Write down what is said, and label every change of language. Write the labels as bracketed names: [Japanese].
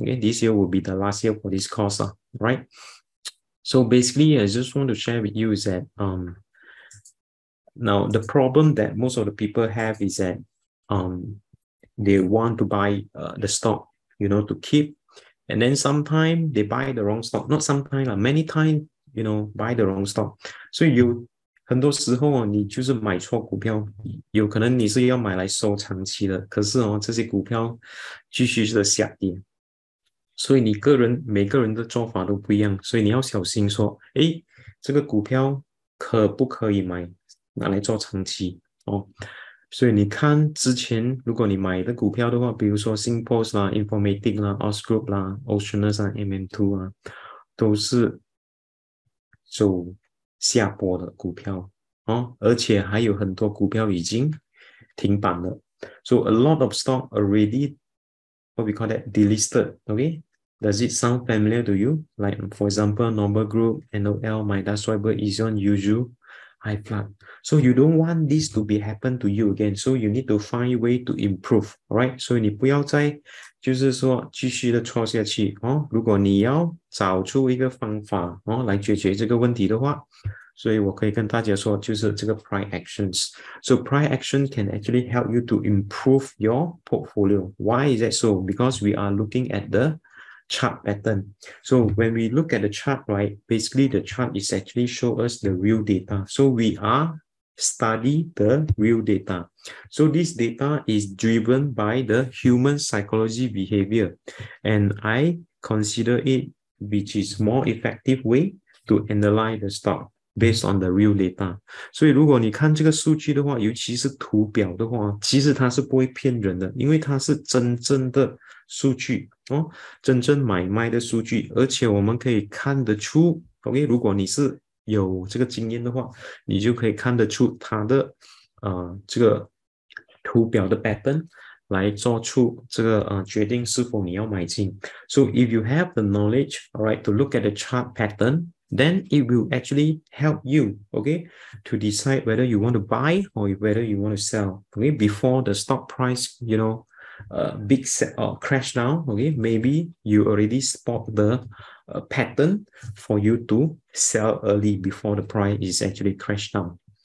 [English] Okay, this year will be the last year for this course, right? So basically, I just want to share with you is that now the problem that most of the people have is that they want to buy the stock, you know, to keep, and then sometimes they buy the wrong stock. Not sometimes, like many times, you know, buy the wrong stock. [Chinese] 所以有很多时候哦，你就是买错股票，有可能你是要买来收长期的，可是哦，这些股票继续的下跌。所以你个人每个人的做法都不一样，所以你要小心说，哎，这个股票可不可以买拿来做长期哦？所以你看之前，如果你买的股票的话，比如说 Singpost 啦、Informatic 啦、Os Group 啦、Oceanus 啊、MM2 啊，都是走下坡的股票哦，而且还有很多股票已经停板了。 [English] So a lot of stock already what we call that delisted. Okay, does it sound familiar to you? Like for example, Noble Group, NOL, Midas Fiber, Ezion, Yuzu, IFast. So you don't want this to be happen to you again. So you need to find a way to improve, right? [Chinese] 所以你不要再就是说继续的错下去哦。如果你要找出一个方法哦来解决这个问题的话，所以我可以跟大家说，就是这个 price actions。 [English] So price action can actually help you to improve your portfolio. Why is that so? Because we are looking at the chart pattern. So when we look at the chart, right? Basically, the chart is actually show us the real data. So we are study the real data. So this data is driven by the human psychology behavior, and I consider it which is more effective way to analyze the stock based on the real data. [Chinese] 所以如果你看这个数据的话，尤其是图表的话，其实它是不会骗人的，因为它是真正的数据哦，真正买卖的数据，而且我们可以看得出，OK，如果你是有这个经验的话，你就可以看得出它的这个图表的 pattern 来做出这个决定是否你要买进。 [English] So if you have the knowledge, all right, to look at the chart pattern, then it will actually help you, okay, to decide whether you want to buy or whether you want to sell, okay, before the stock price, you know, big set or crash down, okay, maybe you already spot the pattern for you to sell early before the price is actually crashed down.